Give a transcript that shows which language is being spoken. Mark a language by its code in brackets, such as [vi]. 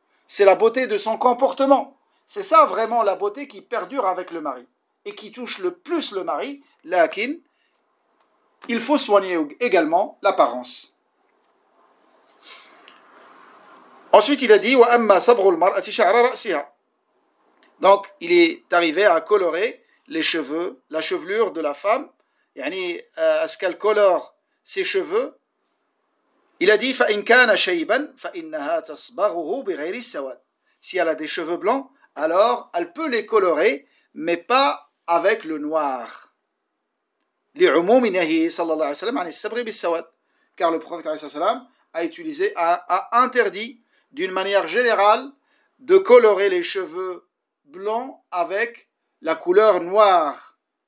[fr] C'est la beauté de son comportement. C'est ça vraiment la beauté qui perdure avec le mari et qui touche le plus le mari, lakin, il faut soigner également l'apparence. Ensuite, il a dit [ar] « Wa amma sabrul mar'ati sha'ra ra'siha ». [fr] Donc, il est arrivé à colorer les cheveux, la chevelure de la femme, yani, à ce qu'elle colore ses cheveux. Il a dit [ar] « فَإِنْ كَانَ شَيْبًا فَإِنَّهَا تَصْبَغُهُ بِغَيْرِ السَّوَادِ ». [fr] Si elle a des cheveux blancs, alors elle peut les colorer, mais pas avec le noir. [ar] لِعُمُومِ نَهِيهِ صَلَّى اللَّهِ عَلَيْهِ وَسَلَّمَ عَنِ السَّبْغِ بِالسَّوَادِ. [fr] Car le prophète عليه الصلاة والسلام a utilisé, a interdit d'une manière générale de colorer les cheveux blancs avec la couleur noire.